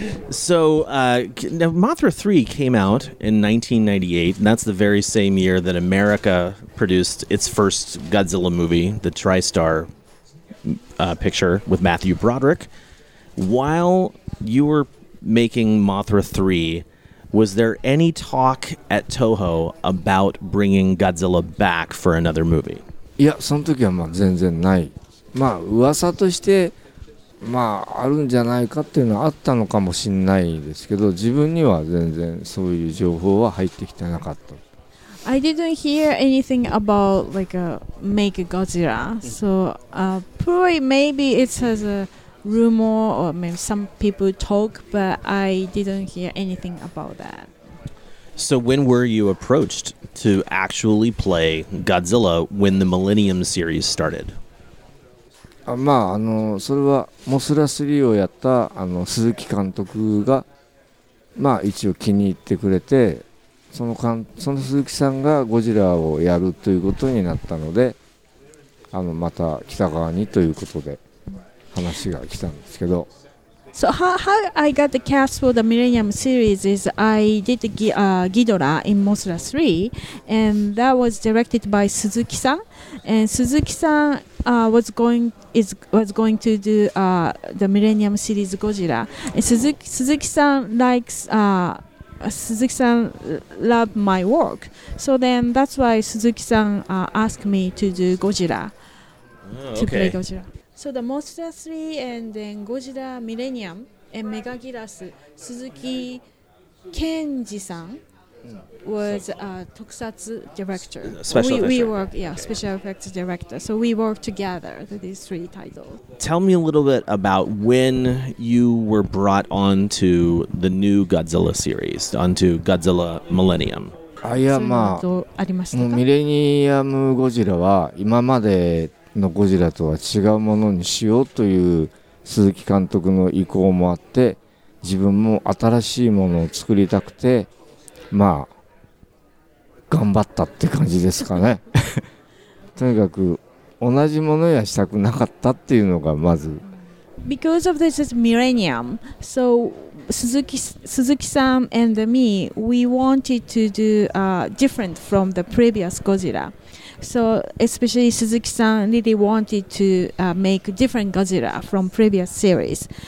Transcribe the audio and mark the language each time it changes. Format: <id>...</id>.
<en>So now Mothra 3 came out in 1998, and that's the very same year that America produced its first Godzilla movie, the TriStar picture with Matthew Broderick. While you were making Mothra 3, was there any talk at Toho about bringing Godzilla back for another movie?</en> <ja>いや、その時はまあ全然ない。まあ噂としてまああるんじゃないかっていうのはあったのかもしれないですけど、自分には全然そういう情報は入ってきてなかった。</ja> <en>I didn't hear anything about like a make Godzilla. So probably maybe it has a rumor or maybe some people talk, but I didn't hear anything about that. So when were you approached to actually play Godzilla when the Millennium series started?</en> <ja>まああのそれはモスラ3をやったあの鈴木監督がまあ一応気に入ってくれて、その鈴木さんがゴジラをやるということになったので、あのまた北川にということで話が来たんですけど。</ja> <en>So how I got the cast for the Millennium series is I did the Ghidorah in Mothra 3, and that was directed by Suzuki-san, and Suzuki-san was going to do the Millennium series Godzilla, and Suzuki-san likes Suzuki-san loved my work, so then that's why Suzuki-san asked me to do Godzilla. Oh, okay. To play Godzilla. So the Mothra 3 and then Godzilla Millennium and Megaguirus, Suzuki Kenji-san was a tokusatsu director. Special effects. Special effects director. So we worked together with these three titles. Tell me a little bit about when you were brought on to the new Godzilla series, onto Godzilla Millennium.</en> <ja>あ、いや、まあ、どうありましたか？ミレニアムゴジラは今までのゴジラとは違うものにしようという鈴木監督の意向もあって、自分も新しいものを作りたくて、まあ頑張ったって感じですかね。とにかく同じものやしたくなかったっていうのがまず。</ja> <en>Because of this is millennium, so Suzuki-san and me, we wanted to do different from the previous Godzilla. So especially Suzuki-san really wanted to make different Godzilla from previous series.</en>